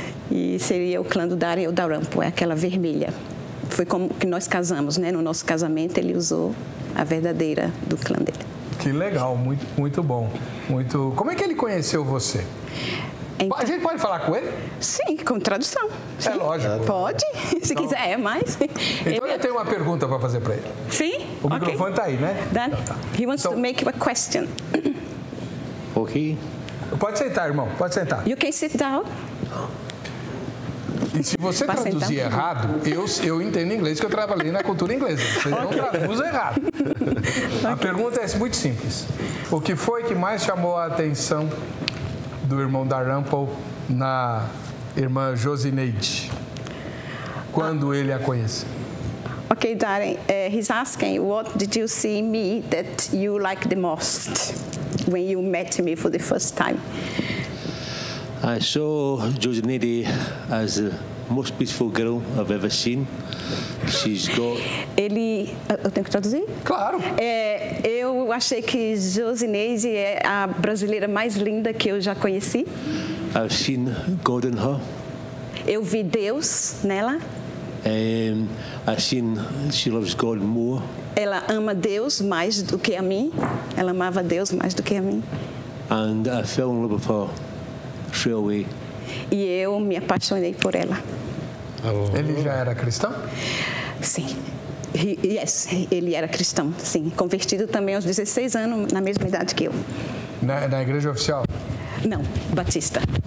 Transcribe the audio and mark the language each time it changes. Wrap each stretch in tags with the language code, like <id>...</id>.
<pt>E seria o clã do Darren, o Darlample, é aquela vermelha. Foi como que nós casamos, né? No nosso casamento, ele usou a verdadeira do clã dele. Que legal, muito, muito bom. Muito... Como é que ele conheceu você? Então, a gente pode falar com ele? Sim, com tradução. Sim. É lógico. Pode, se então, quiser, é mais. Então, eu tenho uma pergunta para fazer para ele. Sim? O microfone está aí, né?</pt> <en>Dan, he wants to make a question. Ok.</en> <pt>Pode sentar, irmão, pode sentar.</pt> <en>You can sit down.</en> <pt>E se você traduzir errado, eu entendo inglês, que eu trabalhei na cultura inglesa. Você não traduz errado. A pergunta é muito simples. O que foi que mais chamou a atenção do irmão Darlample na irmã Josineide, quando ele a conhece?</pt> <en>Ok, Darren, he's asking, what did you see in me that you liked the most when you met me for the first time? I saw Josineide as the most beautiful girl I've ever seen. She's got...</en> <pt>Eu tenho que traduzir? Claro. Eu achei que Josineide é a brasileira mais linda que eu já conheci.</pt> <en>I've seen God in her.</en> <pt>Eu vi Deus nela.</pt> <en>I think she loves God more.</en> <pt>Ela ama Deus mais do que a mim. Ela amava Deus mais do que a mim.</pt> <en>And I fell in love with her straight away.</en> <pt>E eu me apaixonei por ela. Oh. Ele já era cristão? Sim. Yes, ele era cristão, sim. Convertido também aos 16 anos, na mesma idade que eu. Na igreja oficial? Não, batista.</pt>